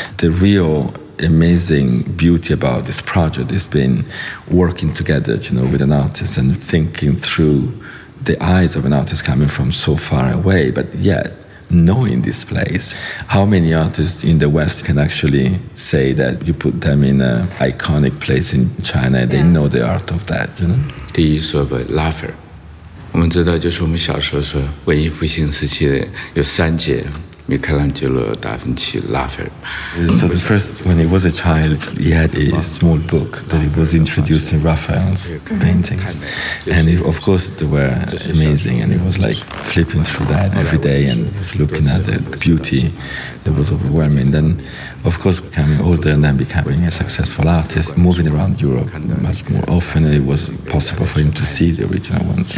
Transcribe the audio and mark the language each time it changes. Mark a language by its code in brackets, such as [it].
[en] The real amazing beauty about this project has been working together, you know, with an artist and thinking through the eyes of an artist coming from so far away, but yet knowing this place. How many artists in the West can actually say that you put them in an iconic place in China, they know the art of that, you know? [zh] 第一说吧，拉斐尔。我们知道就是我们小时候说文艺复兴时期的有三杰，米开朗基罗、达芬奇、拉斐尔。 [en] So the first, when he was a child, he had a small book that he was introduced in Raphael's paintings. And he, of course, they were amazing, and he was like flipping through that every day and looking at the beauty that was overwhelming. Then, of course, becoming older and then becoming a successful artist, moving around Europe much more often, it was possible for him to see the original ones.